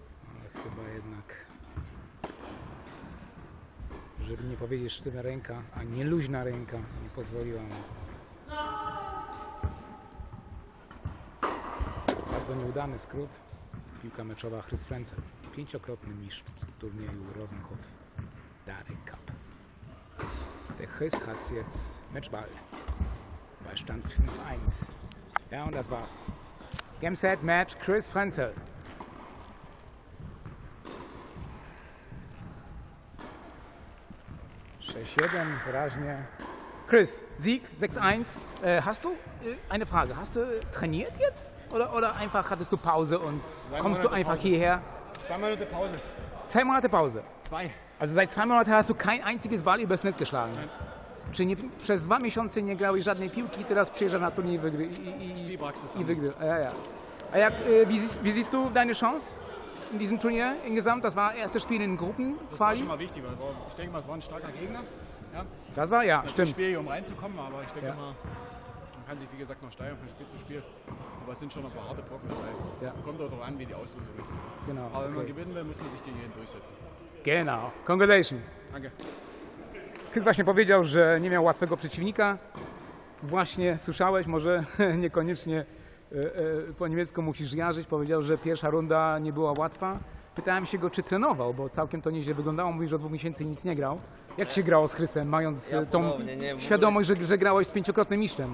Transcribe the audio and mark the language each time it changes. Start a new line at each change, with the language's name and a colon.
Polish: Ale chyba jednak, żeby nie powiedzieć sztywna ręka, a nie luźna ręka, nie pozwoliła mu. Bardzo nieudany skrót, piłka meczowa Chris Frenzel, pięciokrotny mistrz w turnieju Rosenhof Darek Cup.
German: Der Chris hat jetzt Matchball. Beistand 5-1. Ja, und das war's. Game Set Match Chris Frenzel.
Polish: Sześć-jeden, wyraźnie. Chris, Sieg 6-1.
German: Hast du eine Frage? Hast du trainiert jetzt? Oder einfach hattest du Pause und kommst du einfach hierher? Zwei Monate Pause. Zwei Monate Pause? Zwei. Also seit zwei Monaten hast du kein einziges Ball übers Netz geschlagen? Nein.
Polish: Czyli nie, przez dwa miesiące nie grałeś żadnej piłki, teraz przyjeżdżasz na turniej i wygrywasz.
German: Ja, ja.
Polish: A jak,
German: wie siehst du deine Chance in diesem Turnier insgesamt? Das war erstes Spiel in Gruppenquali. Das war schon mal wichtig, weil ich denke mal, es war ein starker Gegner. Ja. Das war, ja, das stimmt. Das Spiel hier, um reinzukommen, aber ich denke ja. Mal, man kann sich wie gesagt noch steigern von Spiel zu Spiel. Aber es sind schon noch ein paar harte Brocken dabei. Ja. Kommt auch darauf an, wie die Auslösung ist. Genau. Aber wenn man gewinnen will, muss man sich gegen jeden durchsetzen. Genau. Congratulations. Danke.
Polish: Chris właśnie powiedział, że nie miał łatwego przeciwnika. Właśnie słyszałeś, może niekoniecznie po niemiecku musisz jarzyć. Powiedział, że pierwsza runda nie była łatwa. Pytałem się go, czy trenował, bo całkiem to nieźle wyglądało. Mówi, że od dwóch miesięcy nic nie grał. Jak się grało z Chrysem, mając świadomość, że grałeś z pięciokrotnym mistrzem?